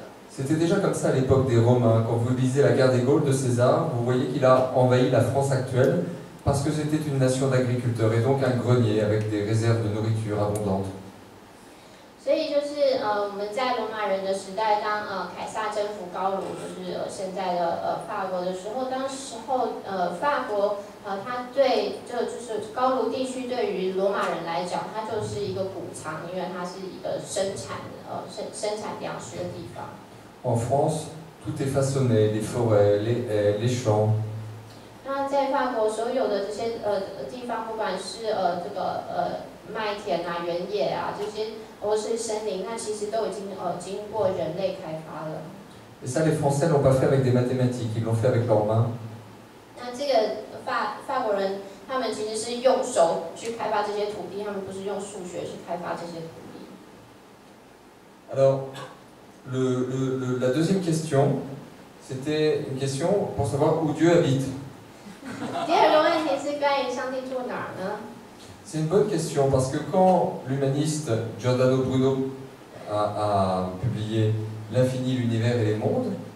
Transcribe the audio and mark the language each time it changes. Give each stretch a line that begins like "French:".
French: C'était déjà comme ça à l'époque des Romains. Quand vous lisez la guerre des Gaules de César, vous voyez qu'il a envahi la France actuelle parce que c'était une nation d'agriculteurs et donc un grenier avec des réserves de nourriture abondantes.
Chinese: 所以就是我们在罗马人的时代，当凯撒征服高卢，就是现在的法国的时候，当时候法国他对就是高卢地区对于罗马人来讲，它就是一个谷仓，因为它是一个生产粮食的地方。
French: En France, tout est façonné, les forêts, les champs.
Chinese: 那在法国所有的这些地方，不管是麦田啊、原野啊这些。或是森林，那其实都已经经过人类开发了。
French: Et ça, les Français l'ont pas fait avec des mathématiques, ils l'ont fait avec leurs mains.
Chinese: 那这个法国人，他们其实是用手去开发这些土地，他们不是用数学去开发这些土地。
French: Alors, la deuxième question, c'était une question pour savoir où Dieu habite.
Chinese: 第二个问题是关于上帝住哪儿呢？
French: C'est une bonne question parce que quand l'humaniste Giordano Bruno a publié l'infini, l'univers et les mondes,